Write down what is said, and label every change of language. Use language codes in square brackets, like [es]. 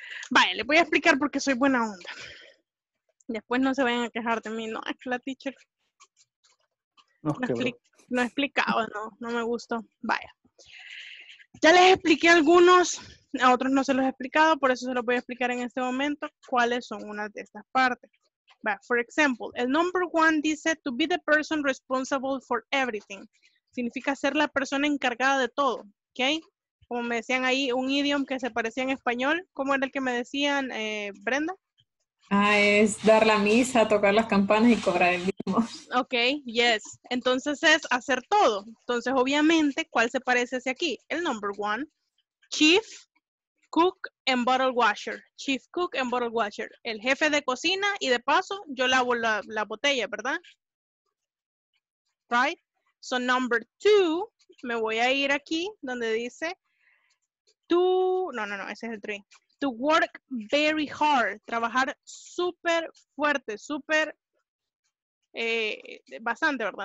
[es] Vale, les voy a explicar por qué soy buena onda. Después no se vayan a quejar de mí. No, es la teacher. No explicaba, no me gustó. Vaya. Ya les expliqué a algunos, a otros no se los he explicado, por eso se los voy a explicar en este momento cuáles son unas de estas partes. [en] But for example, el number one dice to be the person responsible for everything. [es] Significa ser la persona encargada de todo, ¿ok? Como me decían ahí, un idiom que se parecía en español, ¿cómo era el que me decían, Brenda? Ah, es dar la misa, tocar las campanas y cobrar el diezmo. Ok, yes. Entonces es hacer todo. Entonces, obviamente, ¿cuál se parece hacia aquí? [en] El number one, chief, cook, and bottle washer. Chief, cook, and bottle washer. [es] El jefe de cocina y de paso, yo lavo la botella, ¿verdad? Right? So, number two, me voy a ir aquí donde dice, ese es el three. [en] To work very hard, [es] trabajar súper fuerte, súper, bastante, ¿verdad?